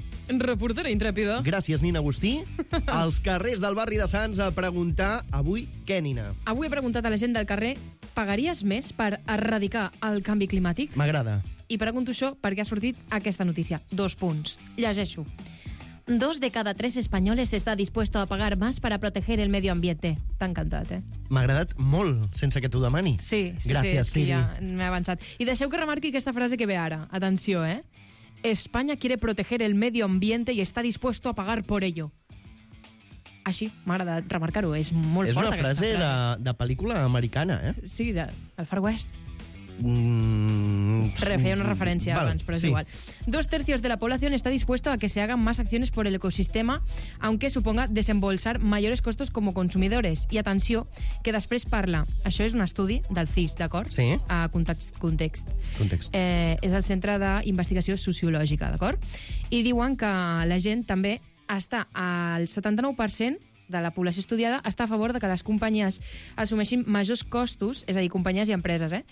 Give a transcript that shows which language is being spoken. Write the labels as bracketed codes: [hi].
[ca] reportera intrèpida. Gràcies, Nina Agustí. Als carrers del barri de Sants a preguntar avui què, Nina? Avui he preguntat a la gent del carrer: pagaries més per erradicar el canvi climàtic? M'agrada. I pregunto això perquè ha sortit aquesta notícia. Dos punts. Llegeixo. [es] Dos de cada tres españoles está dispuesto a pagar más para proteger el medio ambiente. [ca] T'ha encantat, eh? M'ha agradat molt, sense que t'ho demani. Sí, gràcies, sí, sí, ja m'he avançat. I deixeu que remarqui aquesta frase que ve ara. Atenció, eh? [es] España quiere proteger el medio ambiente y está dispuesto a pagar por ello. [ca] Així, m'ha agradat remarcar-ho. És molt és forta una frase, aquesta frase. De pel·lícula americana, eh? Sí, del Far West. Feia una referència abans, però és igual. [es] Dos tercios de la población está dispuesto a que se hagan más acciones por el ecosistema, aunque suponga desembolsar mayores costos como consumidores. [ca] I atenció, que després parla... Això és un estudi del CIS, d'acord? Sí. A Context. És el Centre d'Investigació Sociològica, d'acord? I diuen que la gent també està al 79% de la població estudiada està a favor de que les companyies assumeixin majors costos, és a dir, companyies i empreses, eh?